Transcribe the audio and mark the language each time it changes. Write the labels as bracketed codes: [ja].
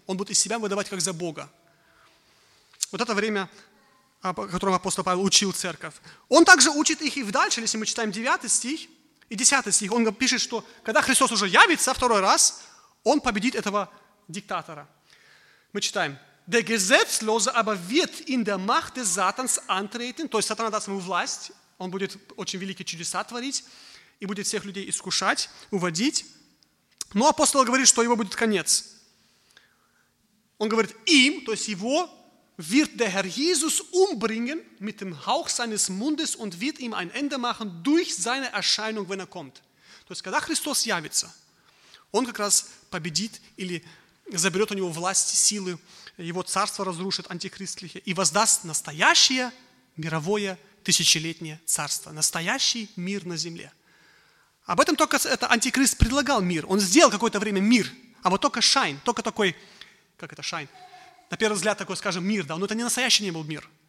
[ru] Он будет из себя выдавать как за Бога. Вот это время, о котором апостол Павел учил церковь. Он также учит их и дальше, если мы читаем 9 стих и 10 стих. Он пишет, что когда Христос уже явится второй раз, он победит этого диктатора. Мы читаем. [de] «Der Gesetzlose aber wird in der Macht des Satans antreten». [ru] То есть сатана даст ему власть. Он будет очень великие чудеса творить и будет всех людей искушать, уводить. Но апостол говорит, что его будет конец. Он говорит, им, то есть его, [de] wird der Herr Jesus umbringen mit dem Hauch seines Mundes und wird ihm ein Ende machen durch seine Erscheinung, wenn kommt. [ru] То есть, когда Христос явится, он как раз победит или заберет у него власть, силы, его царство разрушит антихристлихе и воздаст настоящее мировое тысячелетнее царство, настоящий мир на земле. Об этом только это антихрист предлагал мир. Он сделал какое-то время мир, а вот только шайн, только такой, как это шайн, на первый взгляд такой, скажем, мир, да, но это не настоящий не был мир.